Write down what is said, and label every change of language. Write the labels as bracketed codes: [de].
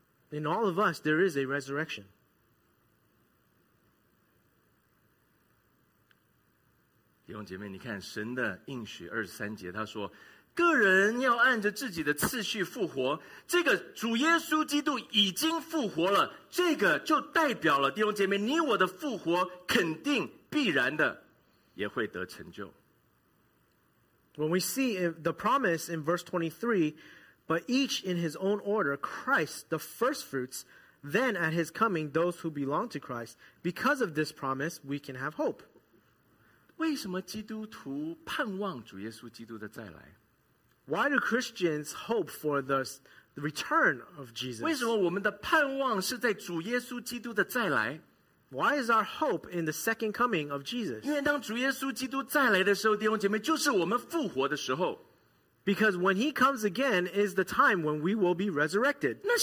[en] in all of us, there is a resurrection. [zh] 弟兄姐妹, 你看, 神的应许23节, 他说, 个人要按着自己的次序复活, 这个主耶稣基督已经复活了, 这个就代表了, 弟兄姐妹, 你我的复活, 肯定必然的, 也会得成就。 [en] When we see the promise in verse 23, but each in his own order, Christ, the first fruits, then at his coming, those who belong to Christ, because of this promise, we can have hope. [zh] 为什么基督徒盼望主耶稣基督的再来? [en] Why do Christians hope for the return of Jesus? [zh] 为什么我们的盼望是在主耶稣基督的再来? [en] Why is our hope in the second coming of Jesus? [zh] 因为当主耶稣基督再来的时候,弟兄姐妹,就是我们复活的时候。 [en] Because when he comes again is the time when we will be resurrected.